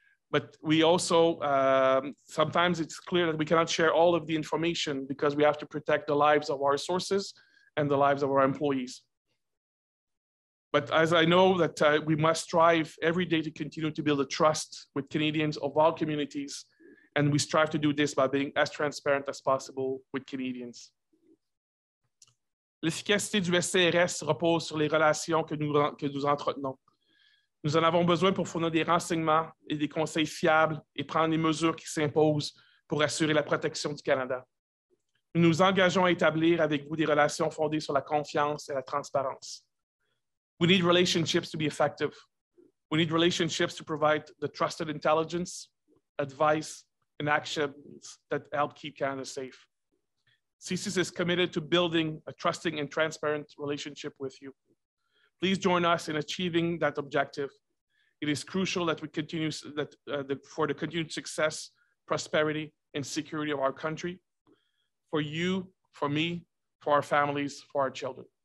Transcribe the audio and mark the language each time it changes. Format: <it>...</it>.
<en>But we also, sometimes it's clear that we cannot share all of the information because we have to protect the lives of our sources and the lives of our employees. But as I know that we must strive every day to continue to build a trust with Canadians of all communities, and we strive to do this by being as transparent as possible with Canadians.</en> <fr>L'efficacité du SCRS repose sur les relations que nous entretenons. Nous en avons besoin pour fournir des renseignements et des conseils fiables et prendre les mesures qui s'imposent pour assurer la protection du Canada. Nous nous engageons à établir avec vous des relations fondées sur la confiance et la transparence.</fr> <en>We need relationships to be effective. We need relationships to provide the trusted intelligence, advice, and actions that help keep Canada safe. CSIS is committed to building a trusting and transparent relationship with you. Please join us in achieving that objective. It is crucial that we continue for the continued success, prosperity, and security of our country, for you, for me, for our families, for our children.</en>